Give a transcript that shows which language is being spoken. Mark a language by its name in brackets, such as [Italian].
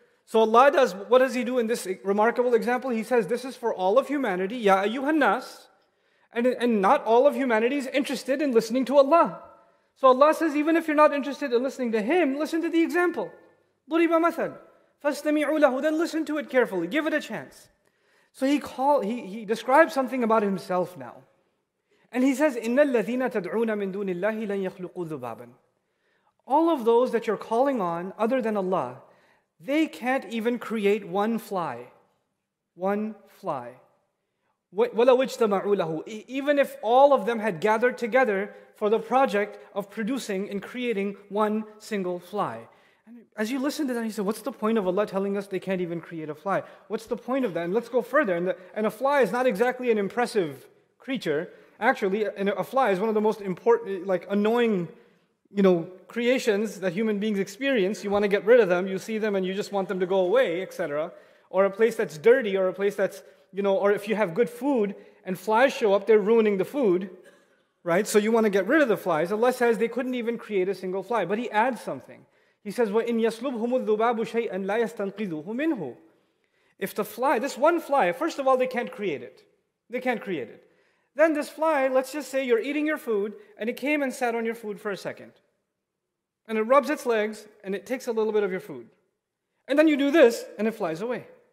[English] So Allah does, what does He do in this remarkable example? He says, this is for all of humanity, [Arabic] يَا أَيُّهَا النَّاسِ [English] And not all of humanity is interested in listening to Allah. So Allah says, even if you're not interested in listening to Him, listen to the example. [Arabic] ضُرِبَ مَثَلٌ فَاسْتَمِعُوا لَهُ. [English] Then listen to it carefully. Give it a chance. So he describes something about himself now. And he says, [Arabic] إِنَّ الَّذِينَ تَدْعُونَ مِن دُونِ اللَّهِ لَنْ يَخْلُقُوا ذُبَابًا. [English] All of those that you're calling on other than Allah, they can't even create one fly. One fly. [Arabic] وَلَوْ اجْتَمَعُوا لَهُ. [English] Even if all of them had gathered together for the project of producing and creating one single fly. And as you listen to that, you say, what's the point of Allah telling us they can't even create a fly? What's the point of that? And let's go further. And a fly is not exactly an impressive creature. Actually, a fly is one of the most important, like annoying, you know, creations that human beings experience. You want to get rid of them. You see them and you just want them to go away, etc. Or a place that's dirty, or a place that's, you know, or if you have good food and flies show up, they're ruining the food, right? So you want to get rid of the flies. Allah says they couldn't even create a single fly. But He adds something. He says, [Arabic] وَإِنْ يَسْلُبْهُمُ الذُّبَابُ شَيْئًا لَا يَسْتَنْقِذُهُ مِنْهُ. [English] If the fly, this one fly, first of all, they can't create it. They can't create it. Then this fly, let's just say you're eating your food and it came and sat on your food for a second. And it rubs its legs and it takes a little bit of your food. And then you do this and it flies away.